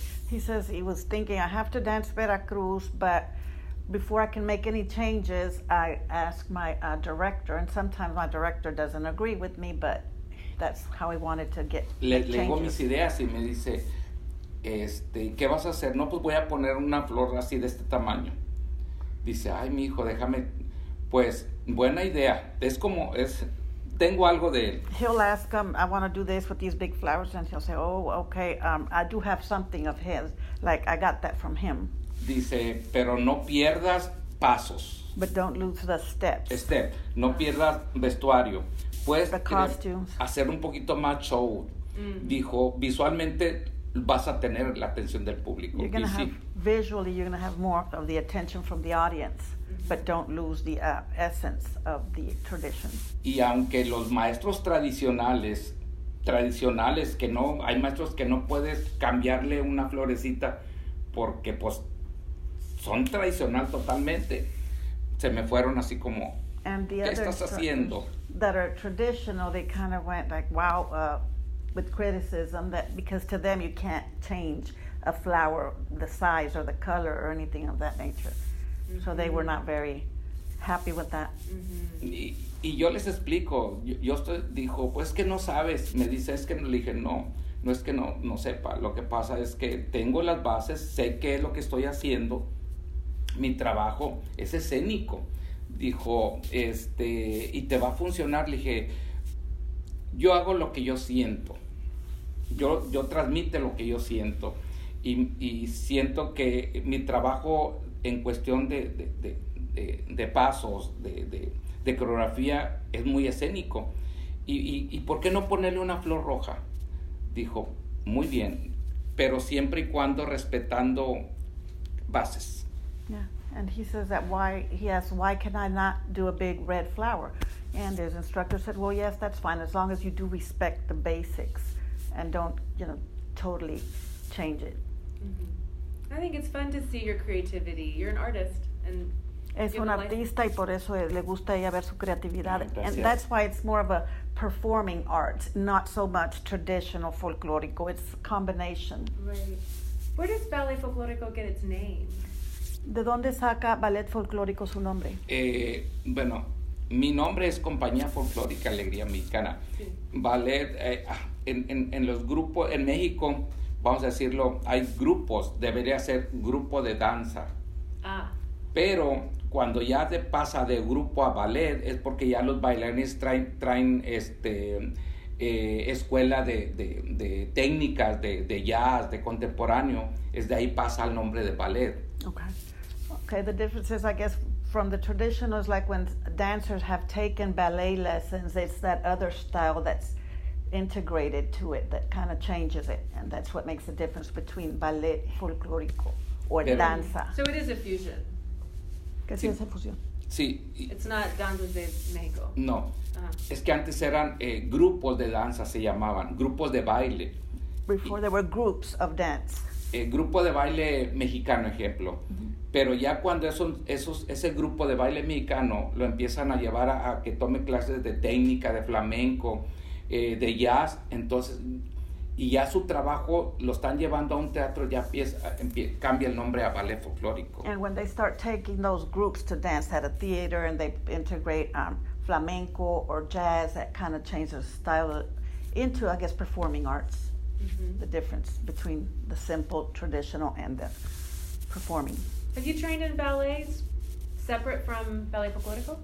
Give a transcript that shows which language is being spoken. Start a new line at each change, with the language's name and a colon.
English: He says he was thinking, I have to dance Veracruz, but before I can make any changes, I ask my director, and sometimes my director doesn't agree with me, but that's how he wanted to get changes.
Spanish: Le digo mis ideas y me dice, ¿qué vas a hacer? No, pues voy a poner una flor así de este tamaño. Dice, ay, mi hijo, déjame, pues, buena idea. Es como, es... Tengo algo de él.
English: He'll ask him, I want to do this with these big flowers, and he'll say, oh, okay, I do have something of his, like I got that from him.
Spanish: Dice, pero no pierdas pasos.
English: But don't lose the steps.
Spanish: Step. No pierdas vestuario. Puedes
English: the costumes.
Spanish: Hacer un poquito más show. Dijo, visualmente vas a tener la atención del público.
English: You're gonna have, visually, you're going to have more of the attention from the audience. But don't lose the essence of the tradition.
Spanish: Y aunque los maestros tradicionales, que no, hay maestros que no puedes cambiarle una florecita porque pues son tradicional totalmente. Se me fueron así como, ¿qué estás haciendo?
English: That are traditional, they kind of went like, wow, with criticism that because to them you can't change a flower, the size or the color or anything of that nature. So they were not very happy with that.
Spanish: Y yo les explico, yo dijo, pues que no sabes, me dice, es que no, le dije, no es que no sepa, lo que pasa es que tengo las bases, sé qué es lo que estoy haciendo, mi trabajo es escénico. Dijo, y te va a funcionar, le dije, yo hago lo que yo siento, yo transmito lo que yo siento, y siento que mi trabajo en cuestión de pasos, de coreografía, es muy escénico. ¿Y por qué no ponerle una flor roja? Dijo, muy bien, pero siempre y cuando respetando bases.
English: Yeah, and he says that why can I not do a big red flower? And his instructor said, well, yes, that's fine, as long as you do respect the basics and don't, you know, totally change it. Mm-hmm. I think it's fun to see your creativity. You're an artist, and
Spanish: es un artista y por eso le gusta ella ver su creatividad.
English: Yeah, and that's why it's more of a performing art, not so much traditional folklorico. It's a combination. Right. Where does ballet folklorico get its name?
Spanish: ¿De dónde saca ballet folklorico su nombre? Bueno, mi nombre es Compañía Folklórica Alegría Mexicana. Sí. Ballet en los grupos en México. Vamos a decirlo, hay grupos, debería ser grupo de danza. Ah. Pero cuando ya se pasa de grupo a ballet, es porque ya los bailarines traen escuela de técnicas, de jazz, de contemporáneo. Es de ahí pasa el nombre de ballet.
English: Okay, the difference is, I guess, from the traditional, is like when dancers have taken ballet lessons, it's that other style that's integrated to it that kind of changes it, and that's what makes the difference between ballet folklorico or
Spanish: pero, danza.
English: So it is a fusion.
Spanish: ¿Qué sí. Es esa fusión? Sí.
English: It's not
Spanish: danza de México.
English: No. Uh-huh.
Spanish: Es que antes eran grupos de danza, se llamaban grupos de baile.
English: Before there were groups of dance.
Spanish: Grupo de baile mexicano, ejemplo. Uh-huh. Pero ya cuando ese grupo de baile mexicano lo empiezan a llevar a que tome clases de técnica, de flamenco, de jazz, entonces, y ya su trabajo lo están llevando a un teatro, ya cambia el nombre a ballet folklórico.
English: And when they start taking those groups to dance at a theater and they integrate flamenco or jazz, that kind of changes the style into, I guess, performing arts. Mm-hmm. The difference between the simple, traditional, and the performing. Have you trained in ballets separate from ballet folklórico?